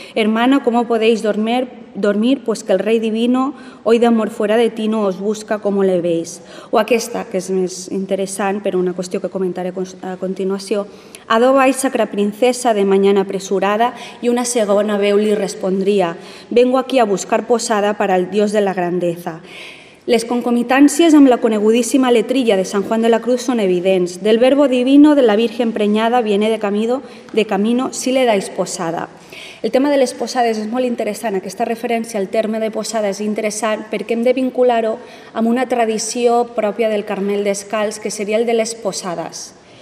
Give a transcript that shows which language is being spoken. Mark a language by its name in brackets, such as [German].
[Spanish] Hermana, ¿cómo podéis dormir? Pues que el rey divino hoy de amor fuera de ti no os busca como le veis. [Catalan] O aquesta, que és més interessant, però una qüestió que comentaré a continuació. [Spanish] Adobais, sacra princesa, de mañana apresurada, [Catalan] i una segona veu li respondria, [Spanish] vengo aquí a buscar posada para el Dios de la grandeza. [Catalan] Les concomitàncies amb la conegudíssima letrilla de Sant Juan de la Cruz són evidents. [Spanish] Del verbo divino de la Virgen preñada viene de camino si le dais posada. [Catalan] El tema de les posades és molt interessant. Aquesta referència al terme de posada és interessant perquè hem de vincular-ho amb una tradició pròpia del Carmel Descalç, que seria el de les posades.